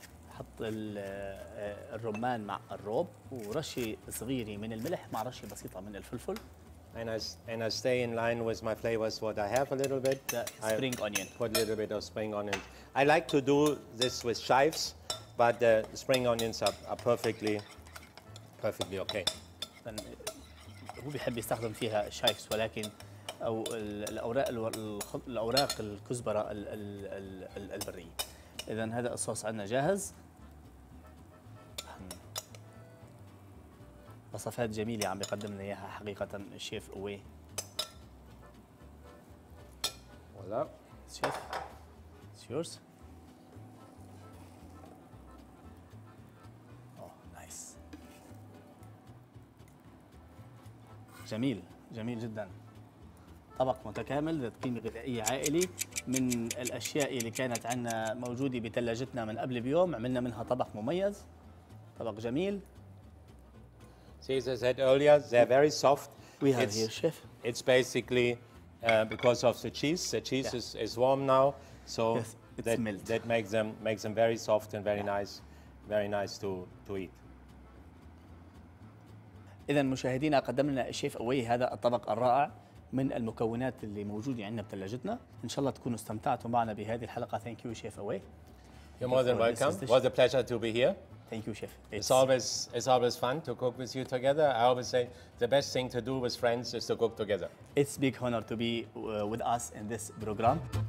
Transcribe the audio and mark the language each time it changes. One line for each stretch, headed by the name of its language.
Arabic: حط الرمان مع الروب ورشه صغيره من الملح مع رشه بسيطه من الفلفل
English: and I stay in line with my flavors what I have a little bit the spring onion put a little bit of spring onion I like to do this with chives but the spring onions are perfectly okay
Arabic: هو بيحب يستخدم فيها الشايفز ولكن او الاوراق الاوراق الكزبره البريه اذا هذا الصوص عندنا جاهز وصفات جميله عم بيقدم لنا اياها حقيقه الشيف اوي ولا شيف
English: سيورس oh nice
Arabic: جميل جميل جدا طبق متكامل ذات قيمة غذائية عائلي من الأشياء اللي كانت عندنا موجودة بثلاجتنا من قبل بيوم عملنا منها طبق مميز طبق جميل.
English: See, as I said earlier, they're very soft. We have it's, here, chef. It's basically because of the cheese. The cheese yeah. is warm now, so yes, it's that melt. That makes them very soft and very yeah. nice, very nice to eat.
Arabic: إذا مشاهدينا قدم لنا الشيف أوي هذا الطبق الرائع. من المكونات اللي موجودة عندنا بثلاجتنا إن شاء الله تكونوا استمتعتوا معنا بهذه الحلقة
English: Thank you
Arabic: Chef Away
English: You're more than welcome It was a pleasure to be here Thank you Chef It's always fun to cook with you together I always say the best thing to do with friends is to cook together It's a big honor to be with us in this program